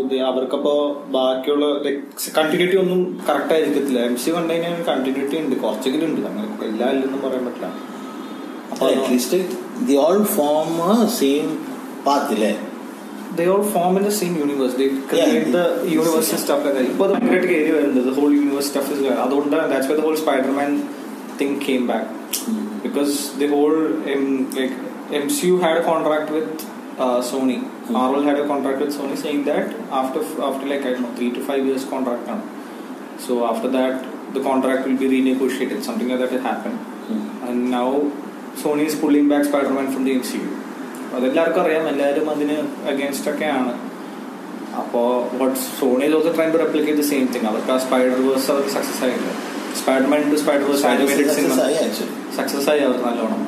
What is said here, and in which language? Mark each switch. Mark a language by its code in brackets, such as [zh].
[ml] അവർക്കപ്പോ ബാക്കിയുള്ള കണ്ടിന്യൂറ്റി ഒന്നും കറക്റ്റ് ആയിരിക്കത്തില്ല. MCU കണ്ടു കഴിഞ്ഞാൽ കണ്ടിന്യൂറ്റി ഉണ്ട്, കുറച്ചെങ്കിലും ഉണ്ട്, അങ്ങനെ എല്ലാ ഇല്ലെന്നും പറയാൻ പറ്റില്ല. [en] അപ്പൊ at least the all form same path അല്ലേ? They all form in the same universe. They create the universe and stuff like that. Now the magnetic area is there. The whole universe stuff is there. That's why the whole Spider-Man thing came back. Mm-hmm. Because the whole MCU had a contract with Sony. Mm-hmm. Marvel had a contract with Sony saying that after like, I don't know, 3 to 5 years contract. So after that, the contract will be renegotiated. Something like that will happen. Mm-hmm. And now Sony is pulling back Spider-Man from the MCU. [ml] അതെല്ലാവർക്കും അറിയാം, എല്ലാവരും അതിന് against ഒക്കെയാണ്. അപ്പോ വട്ട് Sony loss try to replicate the same thing. അവർക്ക് ആ Spider-Verse അവർക്ക് success ആയില്ല. Spiderman to Spider-Verse animated cinema success ആയി അവർ നല്ലോണം.